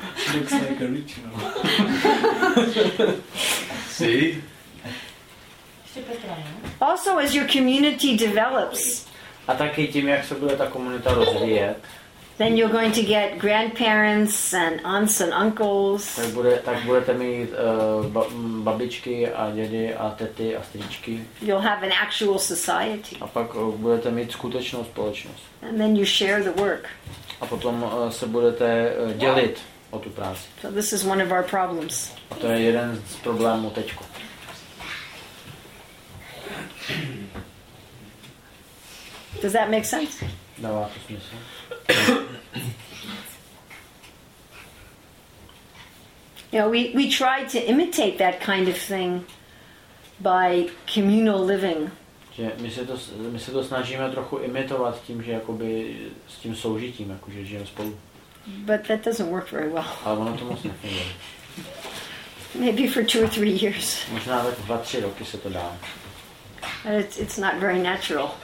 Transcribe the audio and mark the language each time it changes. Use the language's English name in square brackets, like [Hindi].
[English] She looks like a ritual. See? Also, as your community develops, [Czech] a taky tím, jak se bude ta komunita rozvíjet, [English] then you're going to get grandparents and aunts and uncles. [Czech] Tak budete mít babičky a dědy a tety a stříčky. [English] You'll have an actual society. [Czech] A pak budete mít skutečnou společnost. [English] And then you share the work. [Czech] A potom se budete dělit o tu práci. [English] So this is one of our problems. [Czech] A to je jeden z problémů teďko. [English] Does that make sense? [Czech] Dává to smysl. [English] You know, we try to imitate that kind of thing by communal living. [Czech] Že my se to snažíme trochu imitovat tím, že jakoby s tím soužitím, jakože žijeme spolu. [English] But that doesn't work very well. [Czech] Ale ono to moc nefunguje. [English] Maybe for 2 or 3 years. [Czech] Možná tak 2-3 roky se to dá. [English] But it's not very natural.